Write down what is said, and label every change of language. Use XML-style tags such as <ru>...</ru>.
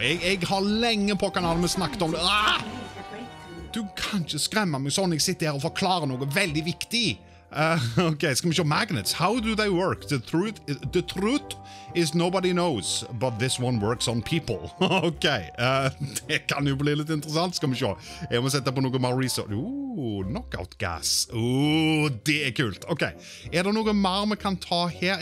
<no>Jeg har lenge på kanalen med snakket om det. Ah! Du kan ikke skremme meg sånn. Jeg sitter her og forklarer noe veldig viktig. Ok, skal vi se magnets.</no> <en>How do they work? The truth is nobody knows, but this one works on people.</en> <no>Ok, det kan jo bli litt interessant, skal vi se. Jeg må sette på noe mer research. Knockout gas. Det er kult. Ok, er det noe mer vi kan ta her?</no>